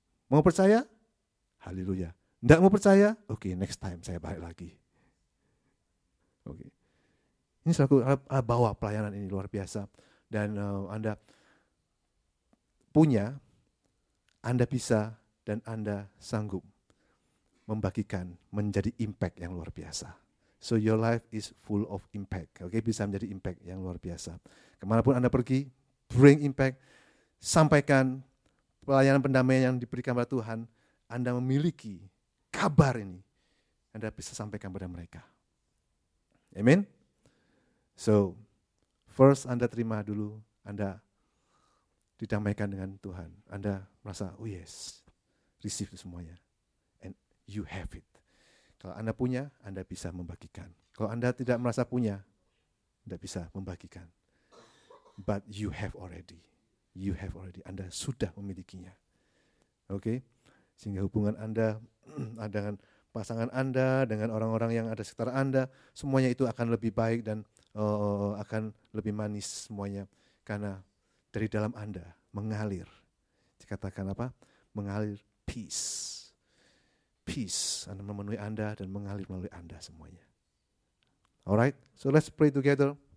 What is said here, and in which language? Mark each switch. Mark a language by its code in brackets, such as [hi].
[id] Mau percaya? Haleluya. Enggak mau percaya? Oke, okay, next time saya balik lagi. Oke. Okay. Ini selaku bawa pelayanan ini luar biasa dan Anda punya, Anda bisa dan Anda sanggup membagikan menjadi impact yang luar biasa. [en] So your life is full of impact. Oke, okay? [id] Bisa menjadi impact yang luar biasa. Kemanapun Anda pergi, [en] bring impact, [id] sampaikan pelayanan pendamaian yang diberikan oleh Tuhan, Anda memiliki kabar ini, Anda bisa sampaikan kepada mereka. Amen? So, first Anda terima dulu, Anda didamaikan dengan Tuhan. Anda merasa, [en] oh yes, receive semuanya. And you have it. [id] Kalau Anda punya, Anda bisa membagikan. Kalau Anda tidak merasa punya, Anda bisa membagikan. [en] But you have already. You have already. [id] Anda sudah memilikinya. [en] Oke? Okay? [id] Sehingga hubungan Anda dengan pasangan Anda, dengan orang-orang yang ada sekitar Anda, semuanya itu akan lebih baik dan akan lebih manis semuanya. Karena dari dalam Anda mengalir, dikatakan apa? Mengalir peace. Peace Anda memenuhi Anda dan mengalir melalui Anda semuanya. [en] Alright, so let's pray together.